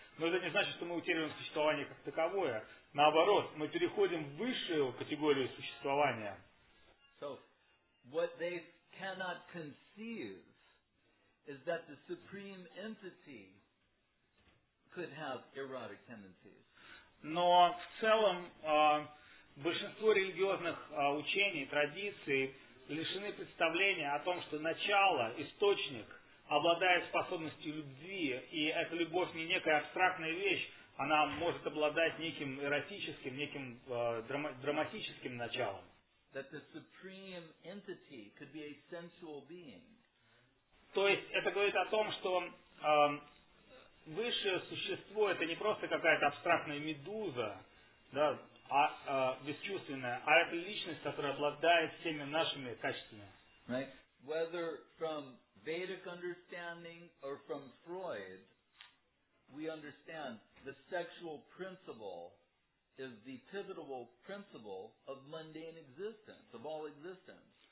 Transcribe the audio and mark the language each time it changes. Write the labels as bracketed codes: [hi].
[ru] Но это не значит, что мы утеряем существование как таковое. Наоборот, мы переходим в высшую категорию существования. [en] So, what they cannot conceive is that the supreme entity could have erotic tendencies. [ru] Но в целом большинство религиозных учений, традиций лишены представления о том, что начало, источник, обладает способностью любви, и эта любовь не некая абстрактная вещь, она может обладать неким эротическим, неким драматическим началом. [en] That the supreme entity could be a sensual being. [ru] То есть это говорит о том, что высшее существо это не просто какая-то абстрактная медуза, да, бесчувственная, а это личность, которая обладает всеми нашими качествами. [en] Right. Whether from Vedic understanding or from Freud, we understand the sexual principle is the pivotal principle of mundane existence, of all existence.